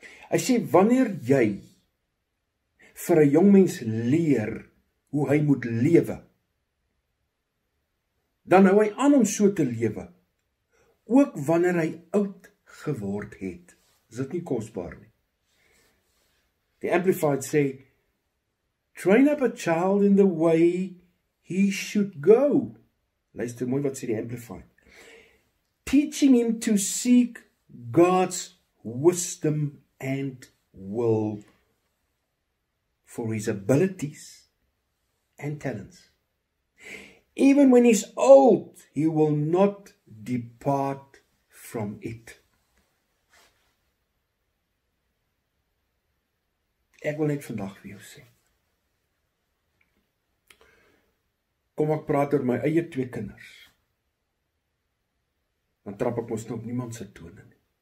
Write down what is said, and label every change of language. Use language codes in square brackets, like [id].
[af] Hy sê, wanneer jy vir 'n jong mens leer hoe hy moet lewe, dan hou hy aan om so te lewe, ook wanneer hy oud geword het. Is dit nie kosbaar nie? [en] The Amplified [af] sê, [en] train up a child in the way he should go. [af] Luister mooi wat sê die Amplified. [en] Teaching him to seek God's wisdom and will for his abilities and talents. Even when he's old, he will not depart from it. [af] Ek wil net vandag vir jou sê, kom ek praat oor my eie twee kinders, dan trap ek mos nou op niemand se tone nie.